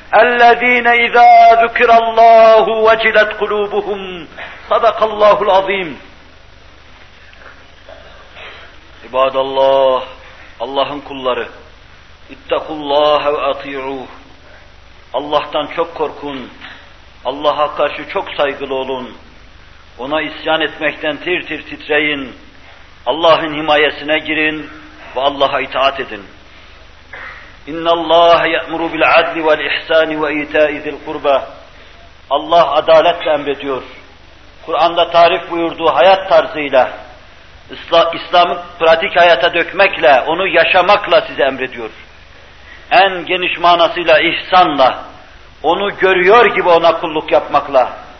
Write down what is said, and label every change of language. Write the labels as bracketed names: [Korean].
[Arabic] الذين إذا ذكر الله وجلت قلوبهم صدق الله العظيم عباد الله [Turkish] Allah'ın kulları [Arabic] اتقوا الله وأطيعوه [Turkish] Allah'tan çok korkun, Allah'a karşı çok saygılı olun, ona isyan etmekten tir tir titreyin, Allah'ın himayesine girin ve Allah'a itaat edin. [Arabic] إن الله يأمر بالعدل والإحسان وإيتاء ذي القربى. [Turkish] Allah adaletle emrediyor. Kur'an'da tarif buyurduğu hayat tarzıyla, İslam'ı pratik hayata dökmekle, onu yaşamakla size emrediyor. En geniş manasıyla ihsanla, onu görüyor gibi ona kulluk yapmakla.